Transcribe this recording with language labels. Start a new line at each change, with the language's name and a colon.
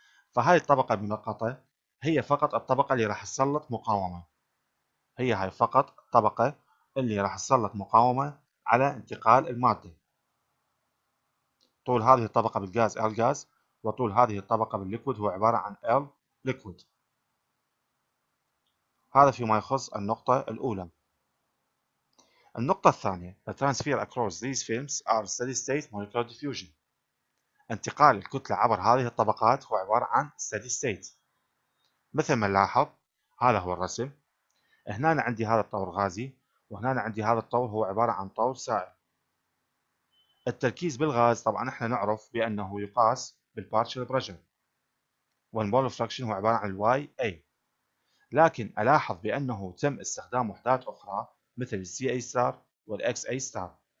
Arabic: فهذه الطبقة المنقطة هي فقط الطبقة اللي راح تسلط مقاومة، هي هاي فقط الطبقة اللي راح تسلط مقاومة على انتقال المادة. طول هذه الطبقة بالغاز L غاز، وطول هذه الطبقة بالليكويد هو عبارة عن L ليكويد. هذا فيما يخص النقطة الأولى. النقطة الثانية:
English: The transfer across these films are steady state molecular diffusion.
Arabic: انتقال الكتلة عبر هذه الطبقات هو عبارة عن steady state. مثل ما نلاحظ هذا هو الرسم، هنا عندي هذا الطور غازي، وهنا عندي هذا الطور هو عبارة عن طور سائل. التركيز بالغاز طبعا احنا نعرف بأنه يقاس بالبارشل بريشر، والمولر فراكشن هو عبارة عن الواي اي، لكن ألاحظ بأنه تم استخدام وحدات أخرى مثل السي اي ستار والاكس اي ستار.